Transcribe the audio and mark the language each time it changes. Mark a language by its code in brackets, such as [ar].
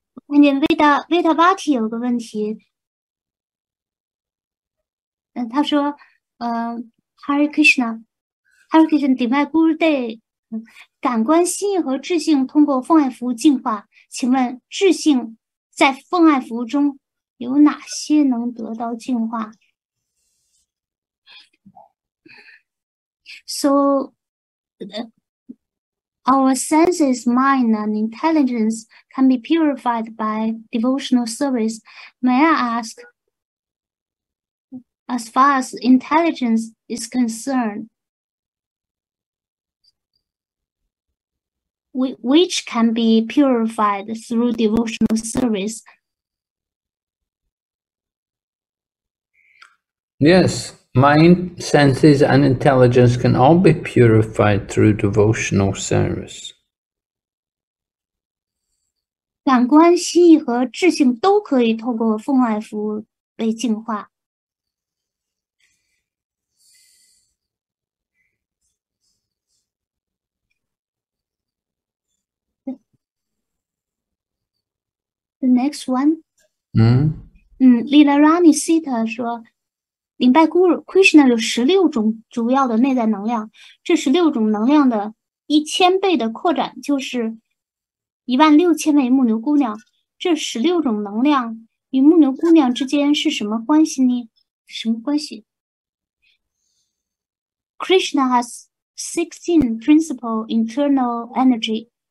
[zh] 看见维达巴提有个问题，他说：“ Hare Krishna, Hare Krishna, Divine Guru Day. 感官、心意和智性通过奉爱服务进化。请问，智性在奉爱服务中有哪些能得到进化？ [en] So, our senses, mind, and intelligence can be purified by devotional service. May I ask? As far as intelligence is concerned, which can be purified through devotional service? Yes, mind, senses, and intelligence can all be purified through devotional service. [zh] 感官、心意和智性都可以透过奉爱服务被净化。 [en] The next one. Mm. [zh] Lila Rani Sita 说，明白Guru Krishna 有16种主要的内在能量，这16种能量的1000倍的扩展就是16000位牧牛姑娘。这16种能量与牧牛姑娘之间是什么关系呢？什么关系？ [en] Krishna has 16 principal internal energy.